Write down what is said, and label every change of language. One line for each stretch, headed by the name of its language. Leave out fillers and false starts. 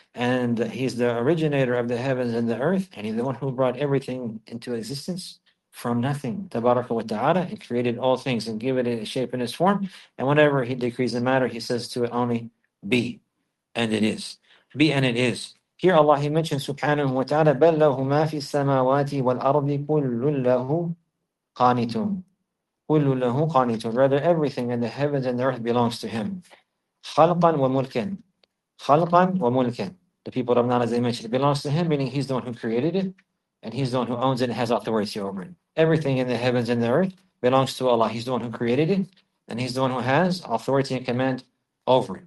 English: And He's the originator of the heavens and the earth, and He's the one who brought everything into existence from nothing.
Arabic: تَبَارَكَ وَتَعَالَى.
English: He created all things and gave it a shape and its form. And whenever He decrees a matter, He says to it only, be, and it is. Be and it is. Here Allah, He mentions subhanahu wa ta'ala,
Arabic: بَلْ لَهُ مَا فِي السَّمَاوَاتِ وَالْأَرْضِ كُلٌّ لَهُ قَانِتُونَ. كُلُّ لَهُ قَانِتٌ.
English: Rather, everything in the heavens and the earth belongs to him.
Arabic: خَلْقًا وَمُلْكًا. خَلْقًا وَمُلْكًا.
English: The people of knowledge, as they mentioned, it belongs to him, meaning he's the one who created it, and he's the one who owns it and has authority over it. Everything in the heavens and the earth belongs to Allah. He's the one who created it, and he's the one who has authority and command over it.